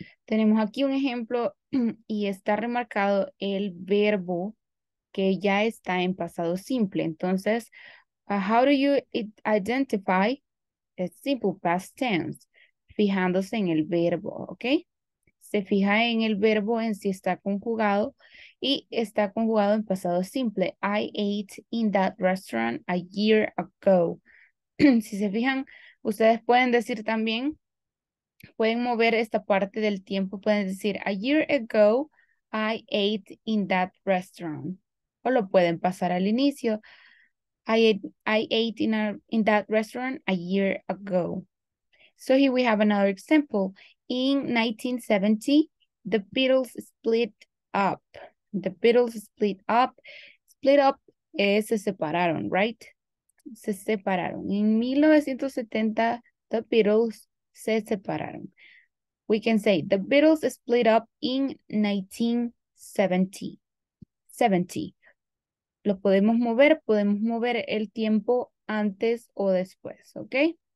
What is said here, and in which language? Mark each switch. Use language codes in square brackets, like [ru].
[es] Tenemos aquí un ejemplo y está remarcado el verbo que ya está en pasado simple. [en] Entonces, how do you identify the simple past tense? [es] Fijándose en el verbo, ¿ok? Se fija en el verbo en si está conjugado y está conjugado en pasado simple. [en] I ate in that restaurant a year ago. [es] Si se fijan, ustedes pueden decir también, pueden mover esta parte del tiempo, pueden decir, [en] a year ago, I ate in that restaurant. [es] O lo pueden pasar al inicio, [en] I ate in that restaurant a year ago. So here we have another example. In 1970, the Beatles split up. The Beatles split up. Split up [es] es se separaron, [en] right? [es] Se separaron. En 1970, the Beatles se separaron. [en] We can say, the Beatles split up in 1970. 70. [es] Lo podemos mover el tiempo antes o después, ¿ok?